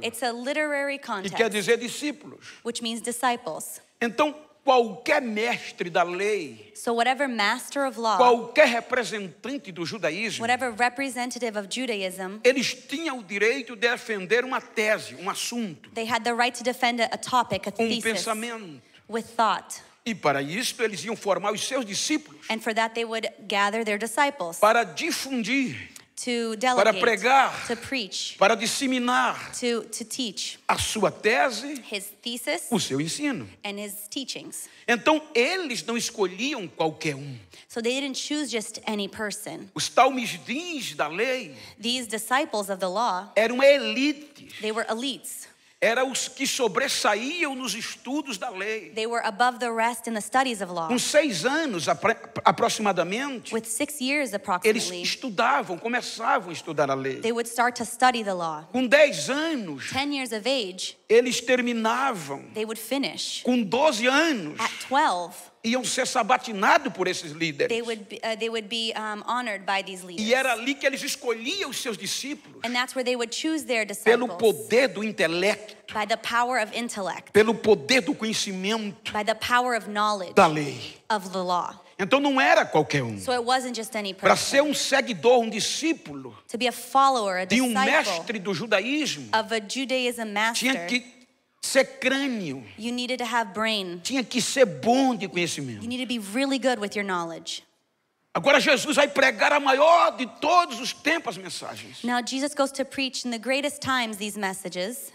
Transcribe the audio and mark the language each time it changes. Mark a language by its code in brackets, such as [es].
[en] It's a literary context. [pt] E quer dizer discípulos. [en] Which means disciples. [pt] Então, qualquer mestre da lei. [en] So whatever master of law. [pt] Qualquer representante do judaísmo. [en] Whatever representative of Judaism. [pt] Eles tinham o direito de defender uma tese, assunto. [en] They had the right to defend a topic, a thesis. [pt] Pensamento. [en] With thought. [pt] E para isso eles iam formar os seus discípulos. [en] And for that they would gather their disciples. [pt] Para difundir. [en] To delegate, [pt] para pregar, [en] to preach, [pt] para disseminar, [en] to teach, [pt] a sua tese, [en] his thesis, [pt] o seu ensino, [en] and his teachings. [pt] Então eles não escolhiam qualquer [en] So they didn't choose just any person. [pt] Os talmidins da lei, [en] these disciples of the law, [pt] eram uma elite. [en] They were elites. [pt] Era os que sobressaíam nos estudos da lei. [en] They were above the rest in the studies of law. [pt] Com 6 anos, aproximadamente. [en] With 6 years, approximately. [pt] Eles estudavam, começavam a estudar a lei. [en] They would start to study the law. [pt] Com 10 anos. [en] 10 years of age. [pt] Eles terminavam. [en] They would finish. [pt] Com 12 anos. [en] At 12. [pt] Iam ser sabatinados por esses líderes. [en] They would be honored by these leaders. [pt] E era ali que eles escolhiam os seus discípulos. [en] And that's where they would choose their disciples. [pt] Pelo poder do intelecto. [en] By the power of intellect. [pt] Pelo poder do conhecimento. [en] By the power of knowledge. [pt] Da lei. [en] Of the law. [pt] Então não era qualquer [en] So it wasn't just any person. [pt] Para ser seguidor, discípulo. [en] To be a follower, a disciple. [pt] De mestre do judaísmo. [en] Of a Judaism master. [pt] Tinha que ser crânio. [en] You needed to have brain. [pt] Tinha que ser bom de conhecimento. [en] You needed to be really good with your knowledge. [pt] Agora Jesus vai pregar a maior de todos os tempos as mensagens. [en] Now Jesus goes to preach in the greatest times these messages.